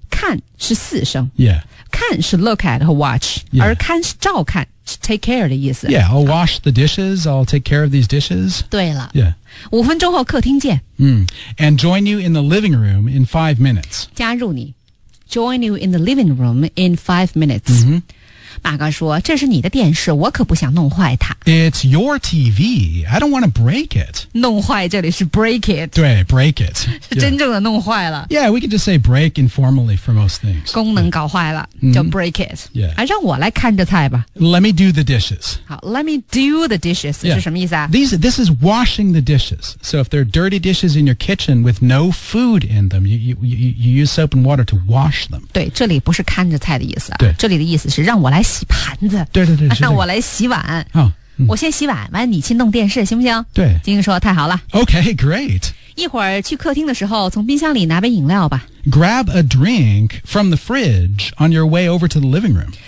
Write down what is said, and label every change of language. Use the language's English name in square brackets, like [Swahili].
[Chinese] 看是四声、 [English] yeah. [Chinese] 看是 look at 和 watch、 [English] yeah. [Chinese] 而看是照看是 take care 的意思 [English] Yeah, I'll wash the dishes I'll take care of these dishes [Chinese] 对了、 [English] yeah. [Chinese] 五分钟后客厅见、 mm. [English] And join you in the living room in 5 minutes [Chinese] 加入你 [English] Join you in the living room in 5 minutes.、 Mm-hmm. [Chinese] 马哥说这是你的电视我可不想弄坏它。 [English] It's your TV. I don't want to break it. [Chinese] 弄坏这里是 [English] break it. 对 break it. [Chinese] 是真正的弄坏了。 [English] Yeah, we can just say break informally for most things. [Chinese] 功能搞坏了、 [English] yeah. 就 break it. Yeah.、 [Chinese] 啊、让我来看着菜吧。 [English] Let me do the dishes. 好 let me do the dishes、 yeah. [Chinese] 是什么意思啊 [English] This is washing the dishes. So if there are dirty dishes in your kitchen with no food in them, you use soap and water to wash them. [Chinese] 对这里不是看着菜的意思、啊、对这里的意思是让我来洗盘子对对对、啊、让我来洗碗、哦嗯、我先洗碗完你去弄电视行不行对金英说太好了 [English] OK great [Chinese] 一会儿去客厅的时候从冰箱里拿杯饮料吧 [English] Grab a drink from the fridge on your way over to the living room